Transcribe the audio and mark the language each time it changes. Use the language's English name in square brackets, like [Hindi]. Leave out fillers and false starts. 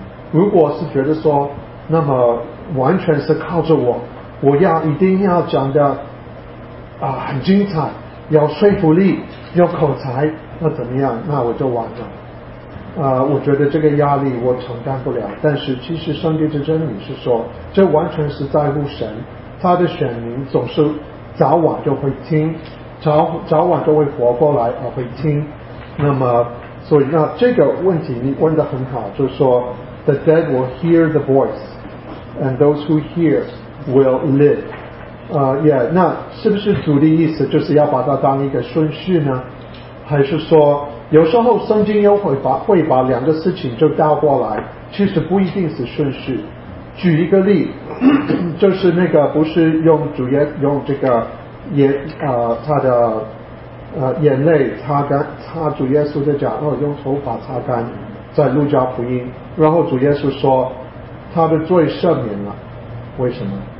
[Chinese] 如果是觉得说，那么完全是靠着我要一定要讲的很精彩，有说服力，有口才，那怎么样？那我就完了。我觉得这个压力我承担不了。但是其实上帝的真理是说，这完全是在乎神，他的选民总是早晚就会听。早晚都会活过来而会听。那么所以那这个问题你问得很好，就是说 [English] The dead will hear the voice and those who hear will live。 [Chinese] 那是不是主的意思就是要把它当一个顺序呢？还是说有时候圣经又会把两个事情就倒过来，其实不一定是顺序。举一个例，就是那个不是用主耶用这个眼他的眼泪擦干，擦主耶稣的脚，然后用头发擦干，在路加福音，然后主耶稣说他的罪赦免了，为什么？